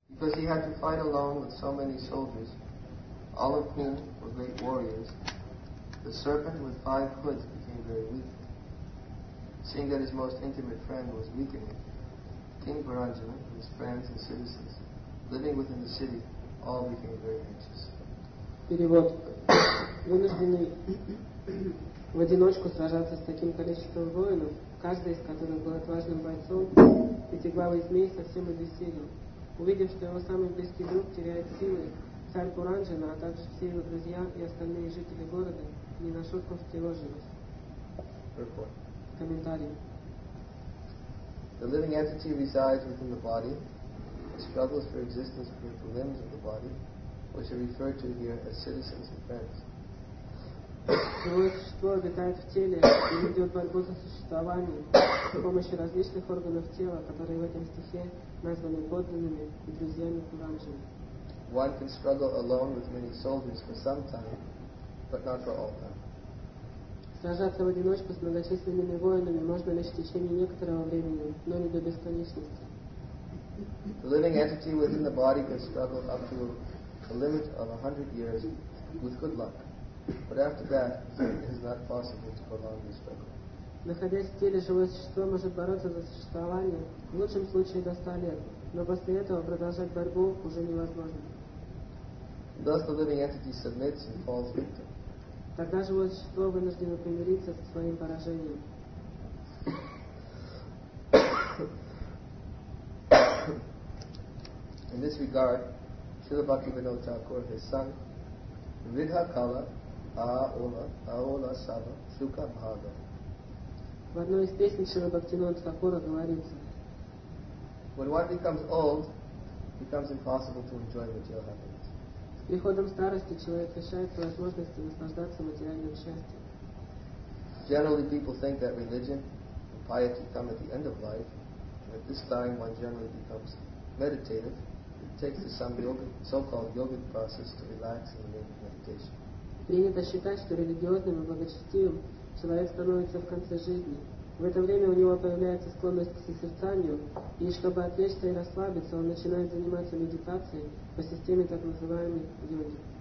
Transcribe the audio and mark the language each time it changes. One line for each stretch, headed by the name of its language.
English: because he had to fight alone with so many soldiers, all of whom were great warriors, the serpent with five hoods became very weak. Seeing that his most intimate friend was weakening, King Varanjana, his friends and citizens, living within the city, all became very anxious.
Russian: Перевод. Вынуждены в одиночку сражаться с таким количеством воинов, каждый из которых был отважным бойцом, эти главы змей совсем обессилил. Увидев, что его самый близкий друг теряет силы, царь Куранджина, а также все его друзья и остальные жители города, не на шутку встревожились. Комментарий.
English: The living entity resides within the body. It struggles for existence with the limbs of the body, which are referred to here as citizens and friends.
Russian: Живое существо обитает в теле и ведет борьбу за существование с помощью различных органов тела, которые в этом стихе названы подданными и друзьями Куранджина.
English: One can struggle alone with many soldiers for some time, but not for all time.
Russian: Сражаться в одиночку с многочисленными воинами можно лишь в течение некоторого времени, но не до бесконечности.
English: The living entity within the body can struggle up to a limit of 100 years with good luck, but after that, it is not possible to prolong the struggle.
Russian: Находясь в теле, живое существо может бороться за существование в лучшем случае до 100 лет, но после этого продолжать борьбу уже невозможно.
English: Thus the living entity submits and falls victim.
Russian: Тогда живое существо вынуждено примириться со своим поражением.
English: In this regard, Srila Bhaktivinoda Thakur has sung
Bangla: Vidha Kala Aola Aola Sava Sukha Bhaga.
Russian: В одной из песен Шрила Бхактивинода Такура говорится:
English: When one becomes old, it becomes impossible to enjoy material happiness.
Russian: С приходом старости человек лишается возможности наслаждаться материальным счастьем.
English: Generally, people think that religion and piety come at the end of life, and at this time one generally becomes meditative and takes to some so-called yogic process to relax in the name of meditation.
Russian: Принято считать, что религиозным и благочестивым человек становится в конце жизни. В это время у него появляется склонность к созерцанию, и чтобы отвлечься и расслабиться, он начинает заниматься медитацией по системе так называемой йоги.